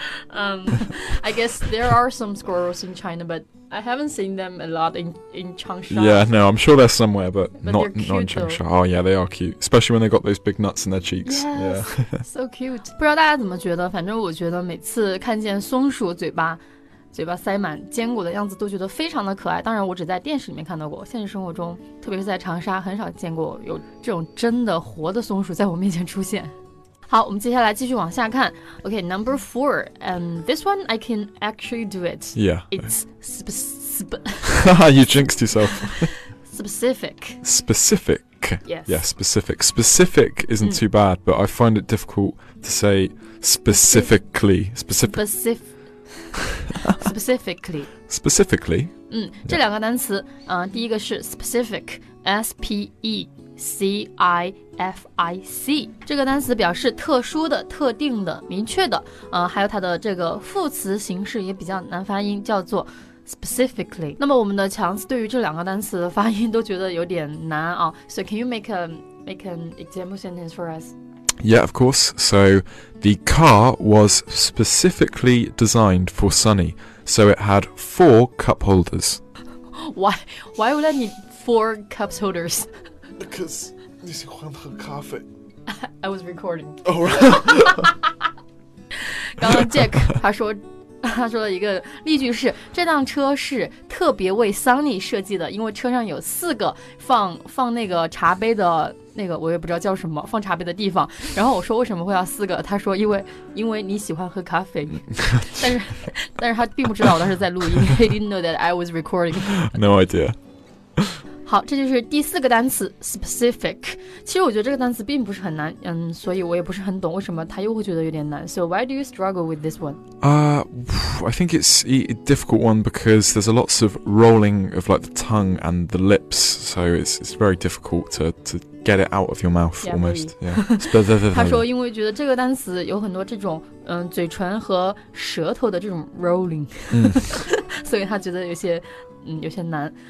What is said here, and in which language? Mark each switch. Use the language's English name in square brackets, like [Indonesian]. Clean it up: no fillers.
[English] I guess there are some squirrels in China, but I haven't seen them a lot in Changsha. Yeah, no, I'm sure they're somewhere, but not, cute, not in Changsha. Though. Oh, yeah, they are cute. Especially when they've got those big nuts in their cheeks. Yes, yeah. So cute. [Chinese] 不知道大家怎么觉得，反正我觉得每次看见松鼠嘴巴塞满坚果的样子都觉得非常的可爱。当然我只在电视里面看到过，现实生活中特别是在长沙很少见过有这种真的活的松鼠在我面前出现。好，我们接下来继续往下看。 [English] Okay, number four, and this one I can actually do it. Yeah. It's You jinxed yourself. Specific. Yes. Yeah, specific. Specific isn't too bad, but I find it difficult to say specifically. Specifically. [Chinese] 这两个单词，第一个是 specific, S-P-E, C-I-F-I-C 这个单词表示特殊的、特定的、明确的、还有它的这个副词形式也比较难发音，叫做specifically. 那么我们的强子对于这两个单词的发音都觉得有点难啊。 [English] So can you make an example sentence for us? Yeah, of course. So the car was specifically designed for Sunny. So it had four cup holders. Why would I need four cup holders? Because [Chinese] 你喜欢喝咖啡。 [English] I was recording. Oh, right. [Chinese] 刚刚 Jack 他说了一个例句是这辆车是特别为 Sunny 设计的，因为车上有四个放那个茶杯的那个我也不知道叫什么放茶杯的地方，然后我说为什么会要四个，他说因为你喜欢喝咖啡，但是他并不知道我当时在录音。 [English] He didn't know that I was recording. No idea. [Chinese] 好，这就是第四个单词 specific. 其实我觉得这个单词并不是很难，所以我也不是很懂为什么他又会觉得有点难。 [English] So why do you struggle with this one? I think it's a difficult one because there's a lots of rolling of like the tongue and the lips, so it's very difficult to get it out of your mouth, yeah, almost. Yeah. [Chinese] 他说因为觉得这个单词有很多这种嘴唇和舌头的这种 rolling, 所以他觉得有些难。